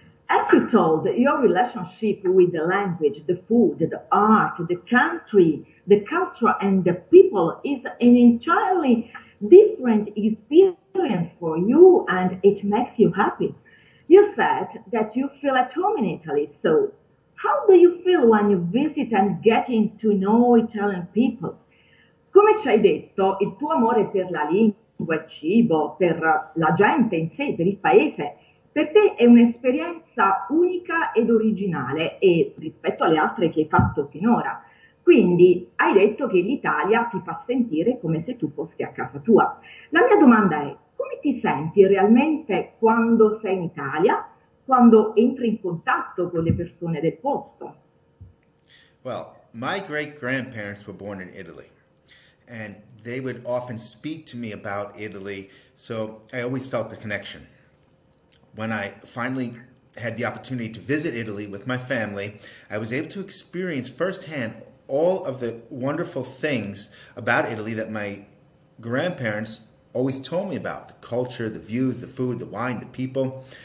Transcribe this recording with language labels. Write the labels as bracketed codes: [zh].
[en] As you told, your relationship with the language, the food, the art, the country, the culture and the people is an entirely different experience for you and it makes you happy. You said that you feel at home in Italy, so how do you feel when you visit and getting to know Italian people? [it] Come ci hai detto, il tuo amore per la lingua, il cibo, per la gente in sé, per il paese, per te è un'esperienza unica ed originale e rispetto alle altre che hai fatto finora. Quindi hai detto che l'Italia ti fa sentire come se tu fossi a casa tua. La mia domanda è, come ti senti realmente quando sei in Italia, quando entri in contatto con le persone del posto? [en] Well, my great-grandparents were born in Italy and they would often speak to me about Italy, so I always felt the connection. When I finally had the opportunity to visit Italy with my family, I was able to experience firsthand all of the wonderful things about Italy that my grandparents always told me about, the culture, the views, the food, the wine, the people.